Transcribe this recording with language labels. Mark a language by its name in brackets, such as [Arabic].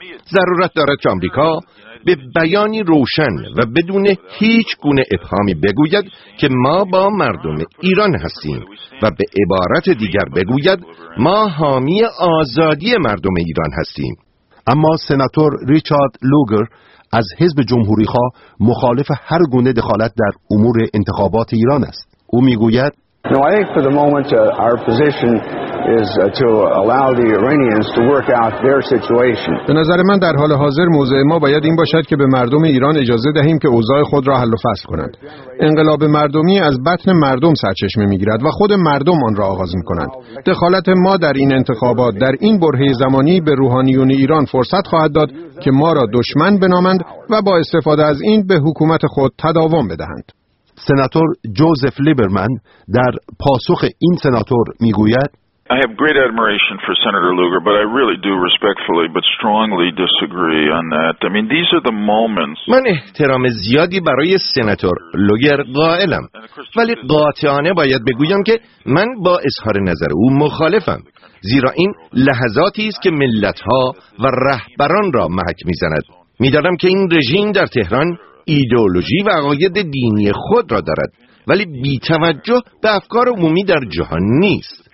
[Persian] ضرورت دارد که آمریکا به بیانی روشن و بدون هیچ گونه ابهامی بگوید که ما با مردم ایران هستیم و به عبارت دیگر بگوید ما حامی آزادی مردم ایران هستیم. اما سناتور ریچارد لوگر از حزب جمهوری‌خواه مخالف هر گونه دخالت در امور انتخابات ایران است. او میگوید: [English] No, I think for the moment our position is to allow the Iranians to work out their situation. [Persian] به نظر من در حال حاضر موضع ما باید این باشد که به مردم ایران اجازه دهیم که اوضاع خود را حل و فصل کنند. انقلاب مردمی از بطن مردم سرچشمه می‌گیرد و خود مردم آن را آغاز می‌کنند. دخالت ما در این انتخابات در این برهه زمانی به روحانیون ایران فرصت خواهد داد که ما را دشمن بنامند و با استفاده از این به حکومت خود تداوم بدهند. سناتور جوزف لیبرمن در پاسخ این سناتور میگوید: [English] I have great admiration for Senator Lugar, but I really do respectfully but strongly disagree on that. I mean, these are the moments. [Persian] من احترام زیادی برای سناتور لوگر قائلم، ولی قاطعانه باید بگویم که من با اظهار نظر او مخالفم، زیرا این لحظاتی است که ملت‌ها و رهبران را محک می‌زند. می‌دانم که این رژیم در تهران ایدئولوژی و عقاید دینی خود را دارد، ولی بی‌توجه به افکار عمومی در جهان نیست.